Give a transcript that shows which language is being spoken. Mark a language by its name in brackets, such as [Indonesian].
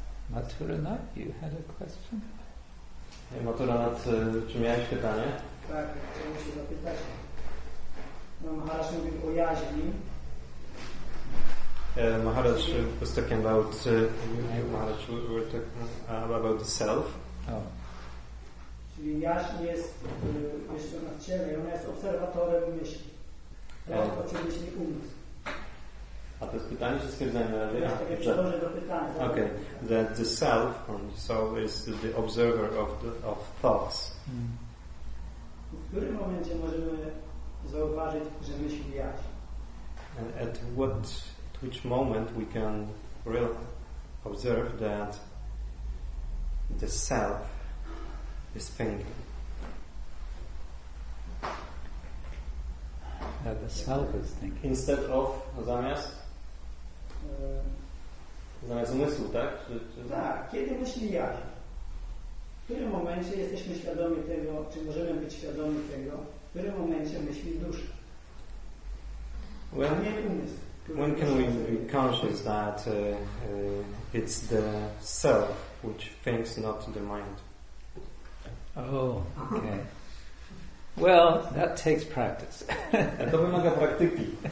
[English] Maturanath, you had a question? [Polish] Hey, Maturanath, czy miałeś pytanie? Tak, chciałem się zapytać. No, Maharaj mówił o jaźni. [English] Maharaj was talking about Maharaj were talking about the self. [Polish] Czyli jaźń jest jeszcze na ciele, ona jest obserwatorem myśli. To co myśli umysł. A to jest pytanie, czy stwierdzenie? Ja tak przychodzę do pytania. [English] Okay. That the self, soul is the observer of the of thoughts. [Polish] W którym momencie możemy zauważyć, że myśli jaźń? [English] And at what, at which moment we can really observe that the self is thinking? That the self is thinking. Instead of, [Polish] zamiast? Zamiast umysłu, tak? Tak, kiedy myśli jaźń? W którym momencie jesteśmy świadomi tego, czy możemy być świadomi tego, w którym momencie myśli dusza? [English] When, [Polish] a nie umysł. [English] When can we be conscious that it's the self which thinks, not the mind? Oh, okay. Well, that takes practice. To wymaga praktyki.